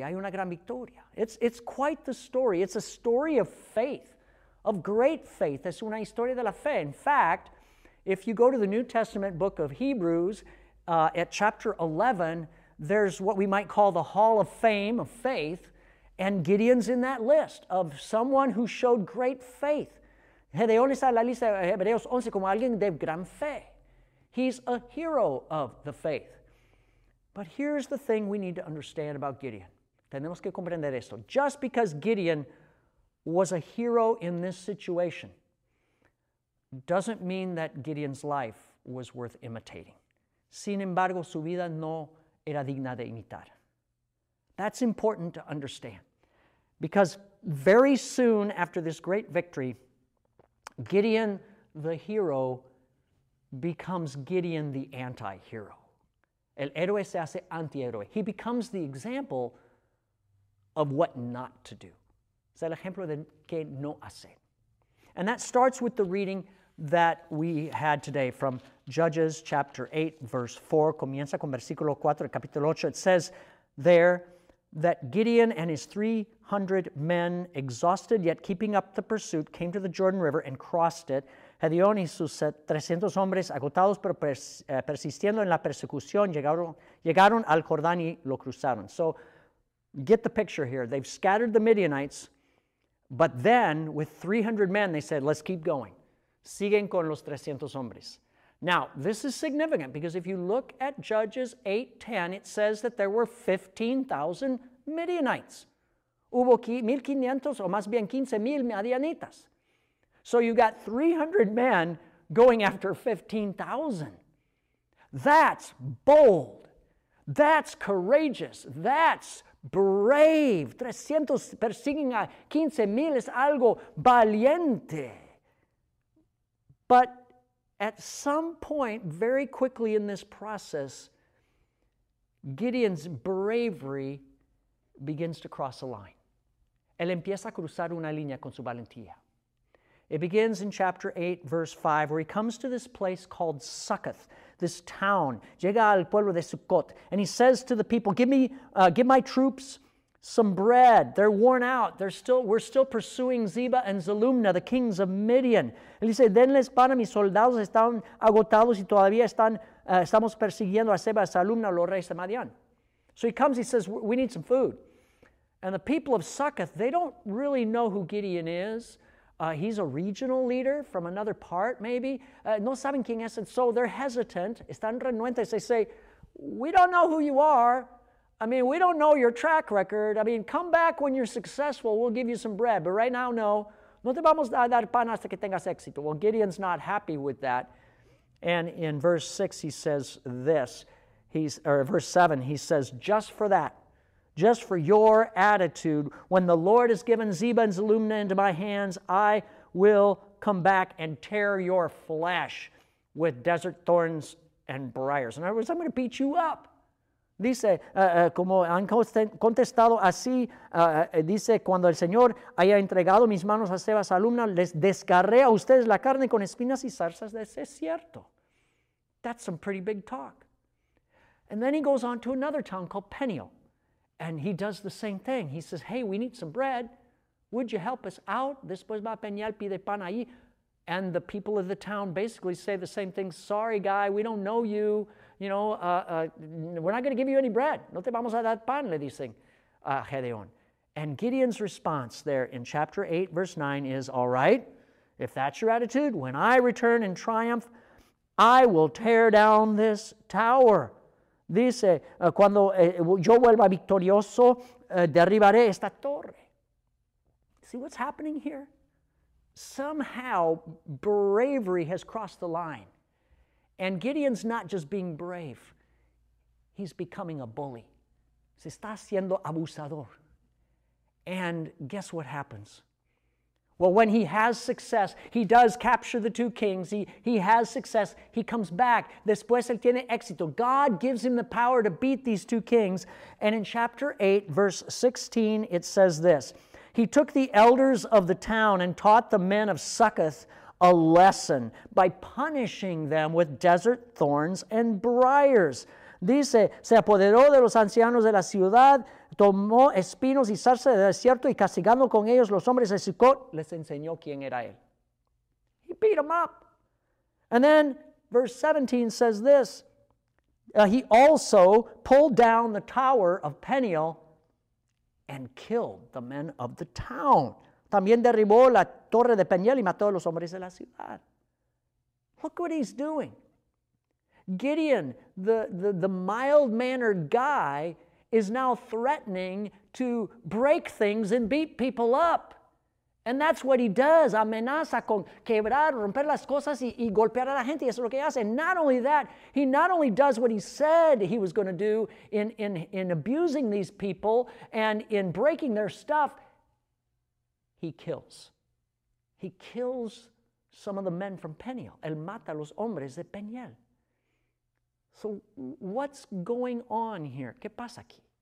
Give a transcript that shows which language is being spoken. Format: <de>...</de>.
<es>Hay una gran victoria.</es> <en>It's quite the story. It's a story of faith, of great faith.</en> <es>Es una historia de la fe.</es> <en>In fact, if you go to the New Testament book of Hebrews, at chapter 11, there's what we might call the Hall of Fame of faith. And Gideon's in that list of someone who showed great faith.</en> <es>Gedeón está en la lista de Hebreos 11 como alguien de gran fe.</es> <en>He's a hero of the faith. But here's the thing we need to understand about Gideon.</en> <es>Tenemos que comprender esto.</es> <en>Just because Gideon was a hero in this situation doesn't mean that Gideon's life was worth imitating.</en> <es>Sin embargo, su vida no era digna de imitar.</es> <en>That's important to understand. Because very soon after this great victory, Gideon the hero becomes Gideon the anti-hero.</en> <es>El héroe se hace anti-héroe.</es> <en>He becomes the example of what not to do.</en> <es>Es el ejemplo de qué no hacer.</es> <en>And that starts with the reading that we had today from Judges chapter 8, verse 4.</en> <es>Comienza con versículo 4, capítulo 8.</es> <en>It says there that Gideon and his 300 men, exhausted yet keeping up the pursuit, came to the Jordan River and crossed it.</en> <es>Gedeón y sus 300 hombres, agotados pero persistiendo en la persecución, llegaron al Jordán y lo cruzaron.</es> <en>So, get the picture here. They've scattered the Midianites, but then, with 300 men, they said, let's keep going.</en> <es>Siguen con los 300 hombres.</es> <en>Now, this is significant because if you look at Judges 8:10, it says that there were 15,000 Midianites.</en> <es>Hubo 1,500, o más bien 15,000 Midianitas.</es> <en>So you got 300 men going after 15,000. That's bold. That's courageous. That's brave.</en> <es>300 persiguiendo a 15,000 es algo valiente.</es> <en>But at some point, very quickly in this process, Gideon's bravery begins to cross a line.</en> <es>Él empieza a cruzar una línea con su valentía.</es> <en>It begins in chapter 8, verse 5, where he comes to this place called Succoth, this town.</en> <es>Llega al pueblo de Succoth,</es> <en>and he says to the people, give my troops some bread. They're worn out. We're still pursuing Zeba and Zalumna, the kings of Midian.</en> <es>Él dice, denles pan a mis soldados, están agotados y todavía estamos persiguiendo a Zeba y Zalumna, los reyes de Madian.</es> <en>So he comes, he says, we need some food. And the people of Succoth, they don't really know who Gideon is. He's a regional leader from another part, maybe.</en> <es>No saben quién es,</es> <en>and so they're hesitant.</en> <es>Están renuentes.</es> <en>They say, we don't know who you are. I mean, we don't know your track record. I mean, come back when you're successful. We'll give you some bread. But right now, no.</en> <es>No te vamos a dar pan hasta que tengas éxito.</es> <en>Well, Gideon's not happy with that. And in verse 6, he says this. Verse 7, he says, just for that, just for your attitude. When the Lord has given Ziba and Zalmunna into my hands, I will come back and tear your flesh with desert thorns and briars. In other words, I'm going to beat you up.</en> <es>Dice, como han contestado así, dice, cuando el Señor haya entregado mis manos a Ziba y Zalmunna, les desgarré a ustedes la carne con espinas y zarzas. Es cierto.</es> <en>That's some pretty big talk. And then he goes on to another town called Peniel. And he does the same thing. He says, hey, we need some bread. Would you help us out?</en> <es>Después va Peniel, pide pan ahí.</es> <en>And the people of the town basically say the same thing. Sorry, guy, we don't know you. You know, we're not going to give you any bread.</en> <es>No te vamos a dar pan, le dicen a Gedeón.</es> <en>And Gideon's response there in chapter 8, verse 9 is, all right, if that's your attitude, when I return in triumph, I will tear down this tower.</en> <es>Dice, cuando yo vuelva victorioso, derribaré esta torre.</es> <en>See what's happening here? Somehow, bravery has crossed the line. And Gideon's not just being brave. He's becoming a bully.</en> <es>Se está haciendo abusador.</es> <en>And guess what happens? Well, when he has success, he does capture the two kings. He has success. He comes back.</en> <es>Después él tiene éxito.</es> <en>God gives him the power to beat these two kings. And in chapter 8, verse 16, it says this. He took the elders of the town and taught the men of Succoth a lesson by punishing them with desert thorns and briars.</en> <es>Dice, se apoderó de los ancianos de la ciudad, tomó espinos y zarza del desierto y castigando con ellos los hombres de Sucot, les enseñó quién era él.</es> <en>He beat them up. And then verse 17 says this, he also pulled down the tower of Peniel and killed the men of the town.</en> <es>También derribó la torre de Peniel y mató a los hombres de la ciudad.</es> <en>Look what he's doing. Gideon, the mild-mannered guy, is now threatening to break things and beat people up. And that's what he does.</en> <es>Amenaza con quebrar, romper las cosas y golpear a la gente. Eso es lo que hace.</es> <en>And not only that, he not only does what he said he was going to do in abusing these people and in breaking their stuff, he kills. He kills some of the men from Peniel.</en> <es>El mata a los hombres de Peniel.</es> <en>So what's going on here?</en> <es>¿Qué pasa aquí?</es>